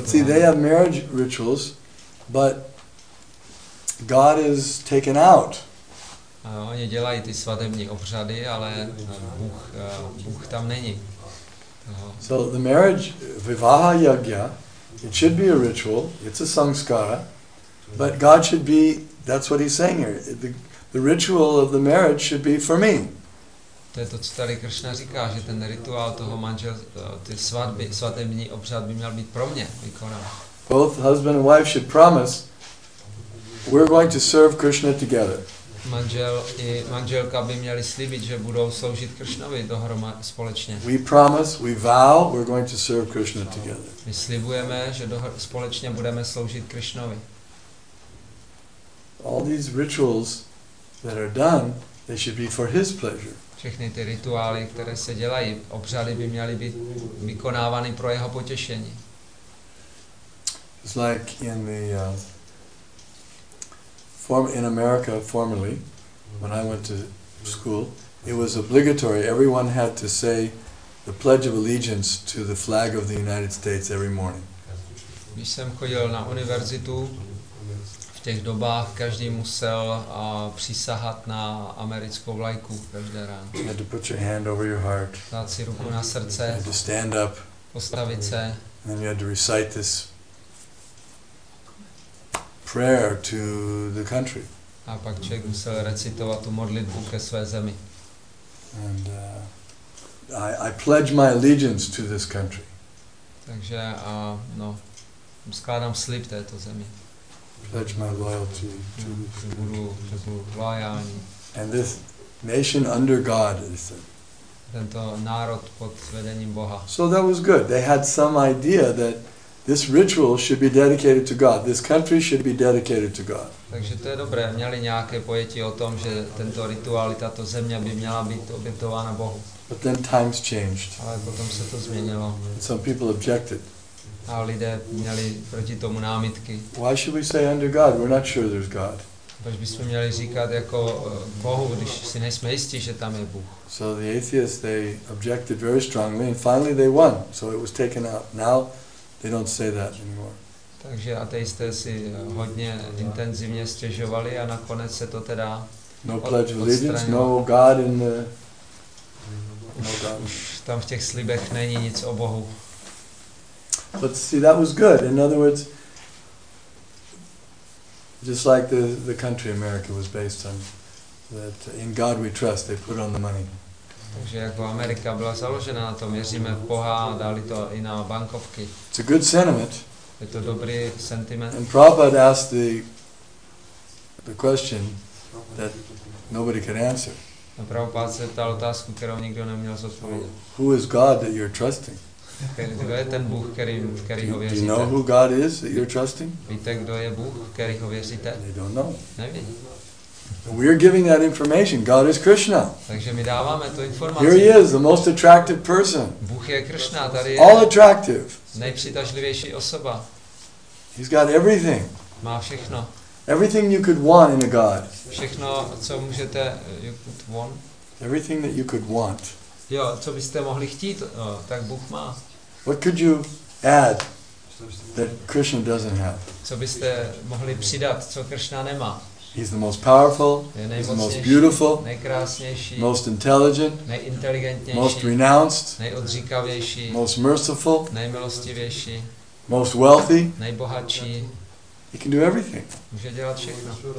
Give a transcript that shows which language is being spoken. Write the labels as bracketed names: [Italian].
[English] But see, they have marriage rituals, but God is taken out. [Czech] Oni dělají ty svatební obřady, ale Bůh tam není. [English] So the marriage vivaha yagya, it should be a ritual, it's a samskara, but God should be, that's what he's saying here, the ritual of the marriage should be for me. [Czech] To je to, co tady Krishna říká, že ten rituál toho manžel, ty svatby, svatební obřad by měl být pro mě vykonán. [English] Both husband and wife should promise, we're going to serve Krishna together. [Czech] Manžel i manželka by měli slíbit, že budou sloužit Krishnovi dohromady společně. [English] We promise, we vow, we're going to serve Krishna together. [Czech] My slibujeme, že společně budeme sloužit Krishnovi. [English] All these rituals that are done, they should be for his pleasure. [Czech] Všechny ty rituály, které se dělají, obřady by měly být vykonávány pro jeho potěšení. [English] It's like in the in America formerly, when I went to school, it was obligatory. Everyone had to say the Pledge of Allegiance to the flag of the United States every morning. [Czech] Když jsem chodil na univerzitu, v těch dobách každý musel přísahat na americkou vlajku každé ráno. [English] You had to put your hand over your heart. [Czech] Dát si ruku na srdce. [English] You had to stand up. [Czech] Postavit se. [English] And then you had to recite this prayer to the country. [Czech] A pak člověk musel recitovat tu modlitbu ke své zemi. [English] And I pledge my allegiance to this country. [Czech] Takže skládám slib této zemi. [English] Pledge my loyalty to this country. [Czech] Budu loajální. [English] And this nation under God, they said. [Czech] Tento národ pod vedením Boha. [English] So that was good. They had some idea that this ritual should be dedicated to God. This country should be dedicated to God. [Czech] Takže to je dobré. Měli nějaké pojetí o tom, že tento rituál, tato země by měla být obětována Bohu. [English] But then times changed. [Czech] Ale potom se to změnilo. [English] And some people objected. [Czech] A lidé měli proti tomu námitky. [English] Why should we say under God? We're not sure there's God. [Czech] Proč bychom měli říkat jako Bohu, když si nejsme jistí, že tam je Bůh. [English] So the atheists, they objected very strongly and finally they won. So it was taken out. Now they don't say that anymore. [Czech] Takže ateisté si hodně intenzivně stěžovali a nakonec se to teda [English] no pledge of allegiance, no God in the... No God. [Czech] Už tam v těch slibech není nic o Bohu. [English] But see, that was good. In other words, just like the country America was based on, that in God we trust, they put on the money. [Czech] Takže jako Amerika byla založena na tom, věříme v Boha, dali to i na bankovky. [English] It's a good sentiment. [Czech] Je to dobrý sentiment. [English] And Prabhupada asked the question that nobody could answer. [Czech] A Prabhupada se ptal otázku, kterou nikdo neměl zodpovědět. [English] Who is God that you're trusting? [Czech] Kdo je ten Bůh, který ho věříte? [English] Do you know who God is that you're trusting? [Czech] Víte, kdo je Bůh, který ho věříte? [English] They don't know. [Czech] Neví. [English] We are giving that information. God is Krishna. [Czech] Takže mi dáváme tu informaci. [English] Here he is, the most attractive person. [Czech] Bůh je Krishna, tady je. [English] All attractive. [Czech] Nejpřitažlivější osoba. [English] He's got everything. [Czech] Má všechno. [English] Everything you could want in a God. [Czech] Všechno, co můžete, [English] you could want. Everything that you could want. [Czech] Jo, co byste mohli chtít, tak Bůh má. [English] What could you add that Krishna doesn't have? [Czech] Co byste mohli přidat, co Krishna nemá? [English] He's the most powerful, he's the most beautiful, [Czech] nejkrásnější, [English] most intelligent, [Czech] nejinteligentnější, [English] most renounced, [Czech] nejodříkavější, [English] most merciful, [Czech] nejmilostivější, [English] most wealthy, [Czech] nejbohatší. [English] He can do everything. [Czech] Může dělat všechno.